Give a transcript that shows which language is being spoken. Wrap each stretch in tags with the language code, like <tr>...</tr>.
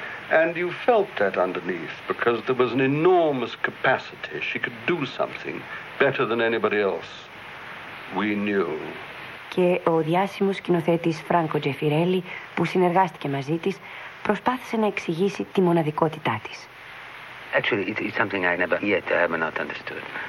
<en>And you felt that underneath, because there was an enormous capacity. She could do something better than anybody else. We knew.</en> <el>Και ο διάσημος σκηνοθέτης Φράνκο Τζεφιρέλη, που συνεργάστηκε μαζί της, προσπάθησε να εξηγήσει τη μοναδικότητά της.</el> <en>Actually, it's something I never yet I have not understood.</en>